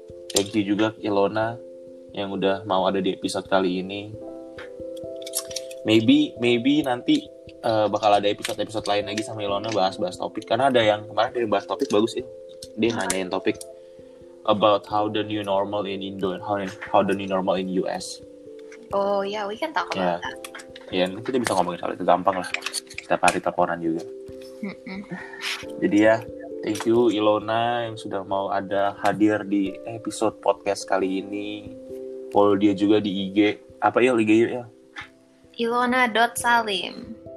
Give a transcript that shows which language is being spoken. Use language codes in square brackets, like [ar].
[id] Thank you juga Ilona yang udah mau ada di episode kali ini. Maybe nanti bakal ada episode-episode lain lagi sama Ilona bahas-bahas topik. Karena ada yang kemarin dia bahas topik bagus sih. Ya. Dia nanyain topik [en] about how the new normal in Indo and how the new normal in US. Oh ya, yeah, we can talk about yeah. that. [id] Yeah, kita bisa ngomongin soal itu gampang lah. Setiap hari teleponan juga. Jadi ya, thank you Ilona yang sudah mau ada hadir di episode podcast kali ini. Follow dia juga di IG. Apa ya IG ya? Ilona.salim.